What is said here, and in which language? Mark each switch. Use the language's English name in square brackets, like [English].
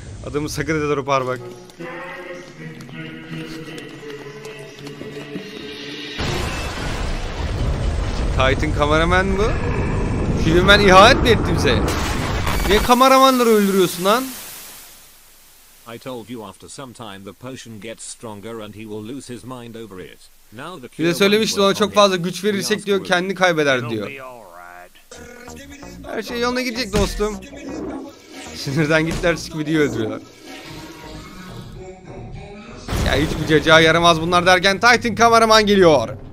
[Turkish] Adamın sakın edilir o parmak. Titan kameraman mı? Şimdi ben ihanet mi ettim size? Niye kameramanları öldürüyorsun lan? [English] I told you after some time the potion gets stronger and he will lose his mind over it. [Turkish] Now the bize söylemişti ona çok fazla güç verirsek diyor kendini kaybeder diyor. Her şey yoluna gidecek dostum. Sinirden gittiler Skibidi'yi öldürüyorlar. Ya hiçbir cacığa yaramaz bunlar derken Titan kameraman geliyor.